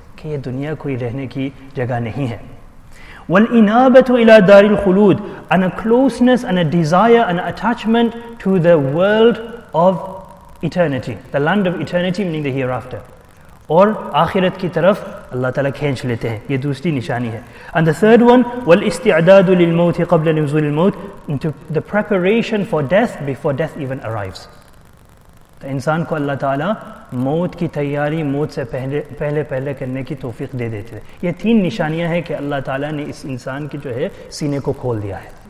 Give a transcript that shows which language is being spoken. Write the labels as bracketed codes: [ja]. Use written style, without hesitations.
[ur] کہ یہ دنیا کوئی رہنے کی جگہ نہیں ہے. [ar] وَالْإِنَابَةُ إِلَىٰ دَارِ الْخُلُودِ. [en] And a closeness and a desire and an attachment to the world of eternity, the land of eternity, meaning the hereafter. [ur] اور آخرت کی طرف اللہ تعالیٰ کھینچ لیتے ہیں. یہ دوسری نشانی ہے. [en] And the third one, [ar] وَالْإِسْتِعْدَادُ لِلْمَوْتِ قَبْلَ نُزُولِ الْمَوْتِ. [en] Into the preparation for death before death even arrives. [ur] تو انسان کو اللہ تعالیٰ موت کی تیاری موت سے پہلے کرنے کی توفیق دے دیتے ہیں. یہ تین نشانیاں ہیں کہ اللہ تعالیٰ نے اس انسان کی جو ہے سینے کو کھول دیا ہے.